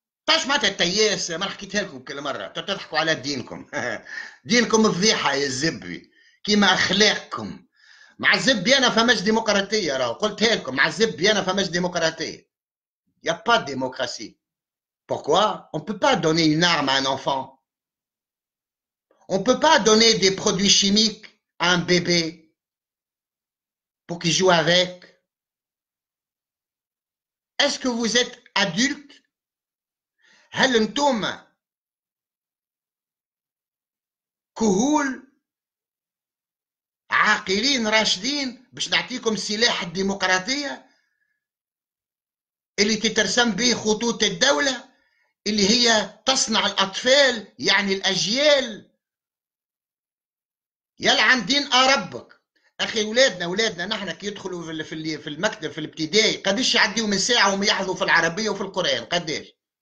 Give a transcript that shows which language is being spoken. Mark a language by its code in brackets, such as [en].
[ar] علاش معناتها التياس؟ ما حكيتها لكم كل مرة، تضحكوا على دينكم. دينكم فضيحة يا زبي، كيما أخلاقكم. مع الزبي أنا فماش ديمقراطية، راه قلتها لكم، مع الزبي أنا فماش ديمقراطية. [fr] n'y a pas de démocratie. Pourquoi? On ne peut pas donner une arme à un enfant. On ne peut pas donner des produits chimiques à un bébé pour qu'il joue avec. Est-ce que vous êtes adulte? [ar] هل انتم كهول عاقلين راشدين باش نعطيكم سلاح الديمقراطية اللي تترسم به خطوط الدولة اللي هي تصنع الأطفال يعني الأجيال يلعن دين أربك أخي أولادنا نحن كي يدخلوا في المكتب في الابتدائي قديش يعديوا من ساعة وما يحظوا في العربية وفي القرآن قديش